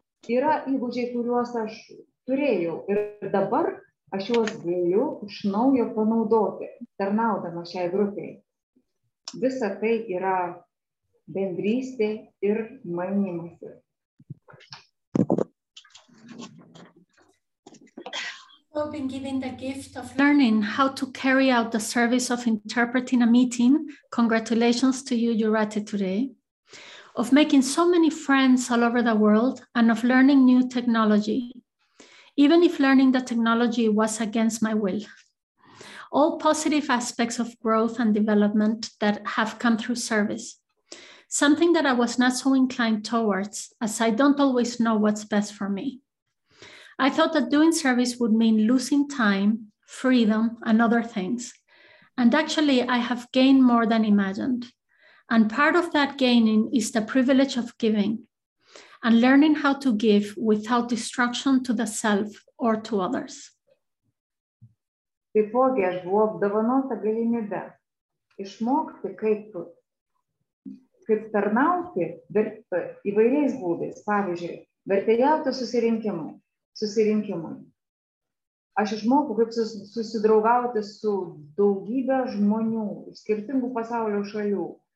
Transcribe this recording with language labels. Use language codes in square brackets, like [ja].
[lt] Yra įgūdžiai, kuriuos aš turėjau ir dabar aš juos galiu iš naujo panaudoti, tarnaudama šiai grupiai. Visa tai yra bendrystė ir manimasi. [en] I've been given the gift of learning how to carry out the service of interpreting a meeting. Congratulations to you, Jurate, today. Of making so many friends all over the world and of learning new technology, even if learning the technology was against my will. All positive aspects of growth and development that have come through service. Something that I was not so inclined towards, as I don't always know what's best for me. I thought that doing service would mean losing time, freedom, and other things. And actually, I have gained more than imagined. And part of that gaining is the privilege of giving and learning how to give without destruction to the self or to others. [lt] Taipogi aš buvau apdovanota galimybe išmokti kaip tarnauti įvairiais būdais, pavyzdžiui, vertėjauti susirinkimui. Aš išmokau, kaip susidraugauti su daugybė žmonių iš skirtingų pasaulio šalių.